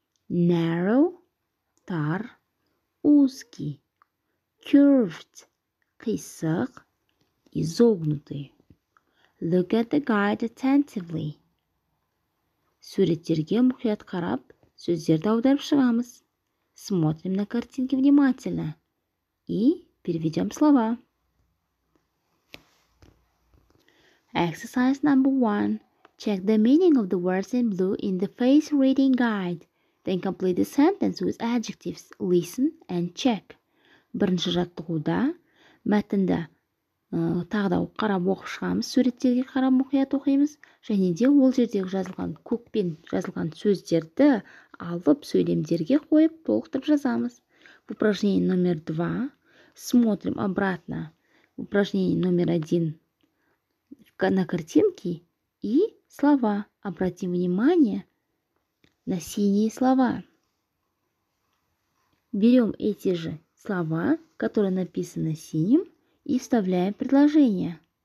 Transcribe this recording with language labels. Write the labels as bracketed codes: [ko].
[en] Narrow, тар, узкий. Curved, қисық, изогнутый. Look at the guide attentively. [kk] Суреттерге мұқият қарап, сөздерді аударып шығамыз. [ru] Смотрим на картинки внимательно. И... Переведем слова. [en] Exercise number one. Check the meaning of the words in blue in the face reading guide. Then complete the sentence with adjectives. Listen and check. [kk] Бірінші жаттығуда мәтінді тағы да қарап оқып шығамыз, суреттерге қарап мұқият оқимыз. Және де ол жердегі жазылған көкпен жазылған сөздерді алып сөйлемдерге қойып толықтырып жазамыз. [ru] Упражнение номер два. Смотрим обратно в упражнение номер один на картинке и слова. Обратим внимание на синие слова. Берем эти же слова, которые написаны синим, и вставляем предложение.